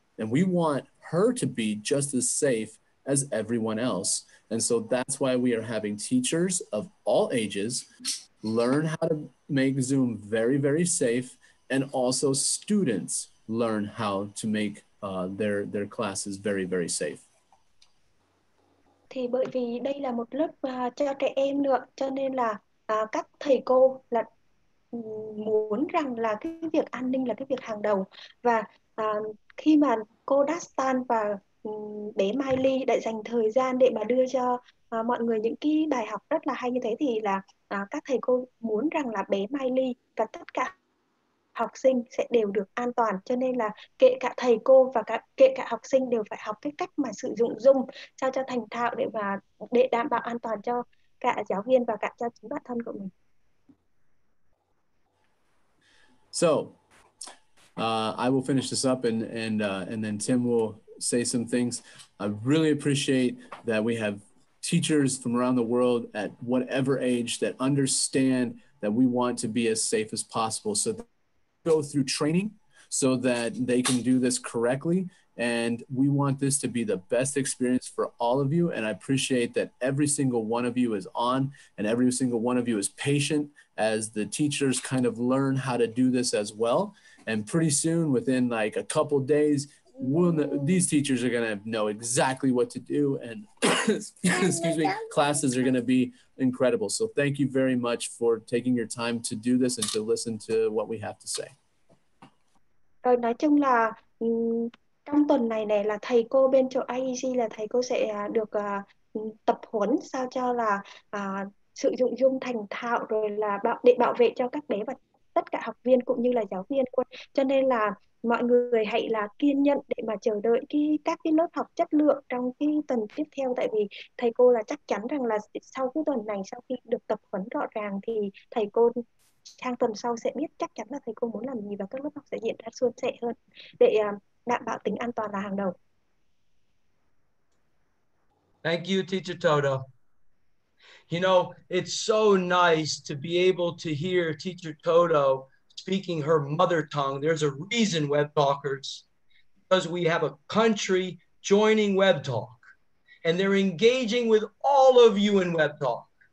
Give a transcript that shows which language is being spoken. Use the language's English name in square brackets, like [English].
[English] And we want her to be just as safe as everyone else. And so that's why we are having teachers of all ages learn how to make Zoom very, very safe, and also students learn how to make their class is very, very safe. [Vietnamese] Thì bởi vì đây là một lớp cho trẻ em nữa, cho nên là các thầy cô là muốn rằng là cái việc an ninh là cái việc hàng đầu. Và khi mà cô Dastan và bé Miley để dành thời gian để mà đưa cho mọi người những cái bài học rất là hay như thế, thì là các thầy cô muốn rằng là bé Miley và tất cả học sinh sẽ đều được an toàn, cho nên là kể cả thầy cô và cả kể cả học sinh đều phải học cái cách mà sử dụng Zoom sao cho thành thạo để mà để đảm bảo an toàn cho cả giáo viên và cả cho chính bản thân của mình. [English] So, I will finish this up and then Tim will say some things. I really appreciate that we have teachers from around the world at whatever age that understand that we want to be as safe as possible. So they go through training so that they can do this correctly. And we want this to be the best experience for all of you. And I appreciate that every single one of you is on and every single one of you is patient as the teachers kind of learn how to do this as well. And pretty soon, within like a couple of days, these teachers are going to know exactly what to do. And excuse me, classes are going to be incredible. So thank you very much for taking your time to do this and to listen to what we have to say. [Vietnamese] Rồi nói chung là trong tuần này này là thầy cô bên chỗ IEG là thầy cô sẽ được tập huấn sao cho là sử dụng Zoom thành thạo, rồi là để bảo vệ cho các bé và tất cả học viên cũng như là giáo viên. Cho nên là mọi người hãy là kiên nhẫn để mà chờ đợi các cái lớp học chất lượng trong cái tuần tiếp theo, tại vì thầy cô là chắc chắn rằng là sau cái tuần này, sau khi được tập huấn rõ ràng, thì thầy cô sang tuần sau sẽ biết chắc chắn là thầy cô muốn làm gì và các lớp học sẽ diễn ra suôn sẻ hơn, để đảm bảo tính an toàn là hàng đầu. [English] Thank you, Teacher Toto. You know, it's so nice to be able to hear Teacher Toto speaking her mother tongue. There's a reason, Web Talkers, because we have a country joining Web Talk, and they're engaging with all of you in Web Talk.